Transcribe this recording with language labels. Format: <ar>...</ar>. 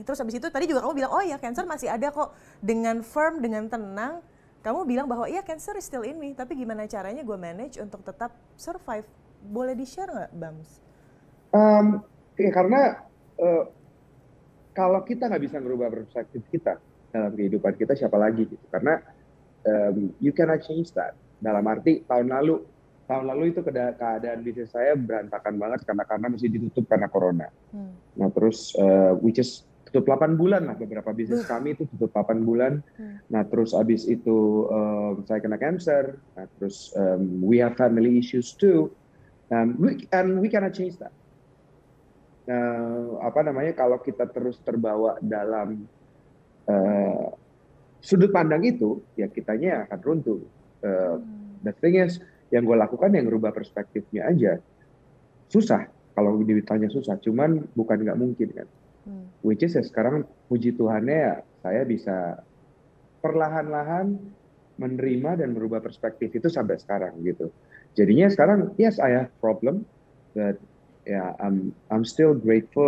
<id>Terus abis itu tadi juga kamu bilang oh ya cancer masih ada kok dengan firm dengan tenang. Kamu bilang bahwa iya</id> <en>cancer is still in me,</en> <id>tapi gimana caranya gue manage untuk tetap survive? Boleh di share nggak, Bams? Ya karena kalau kita nggak bisa merubah perspektif kita dalam kehidupan kita, siapa lagi gitu?</id> <en>Karena you cannot change that.</en> <id>Dalam arti tahun lalu itu keadaan bisnis saya berantakan banget karena mesti ditutup karena corona. Nah terus</id> <en>which is</en> <id>tutup 8 bulan lah beberapa bisnis kami itu tutup 8 bulan. Nah terus abis itu saya kena cancer. Nah terus</id> <en>we have family issues too. And we cannot change that.</en> <id>Apa namanya, kalau kita terus terbawa dalam sudut pandang itu, ya kitanya akan runtuh.</id> <en>The thing is,</en> <id>yang gue lakukan yang merubah perspektifnya aja. Susah, kalau ditanya susah, cuman bukan nggak mungkin kan.</id> <en>Which is</en> <id>ya sekarang puji Tuhannya ya, saya bisa perlahan-lahan menerima dan merubah perspektif itu sampai sekarang gitu. Jadinya sekarang,</id> <en>yes I have problem, but yeah, I'm still grateful.</en>